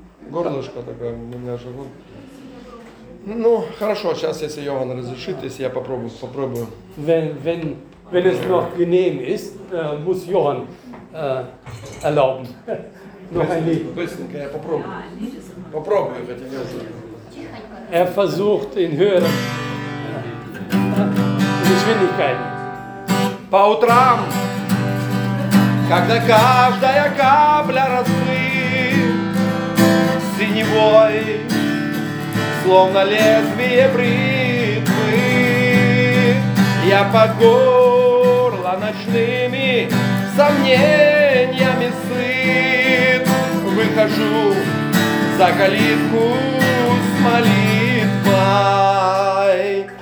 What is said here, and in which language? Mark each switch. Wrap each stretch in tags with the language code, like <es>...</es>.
<ru>Горлышко такое, у меня живот. Ну, хорошо, сейчас, если Йоган разрешит, если я попробую.</ru> <de>Wenn es noch genehm ist, muss Johann erlauben. Noch ein Lied.</de> <ru>Быстренько, я попробую. Попробую, хотя не знаю.</ru> <de>Er versucht in höherer Geschwindigkeit.</de> <ru>По утрам, когда каждая капля раскрыт синевой, словно лезвие бритвы, я погоню ночными сомнениями сыт, выхожу за калитку с молитвой.</ru>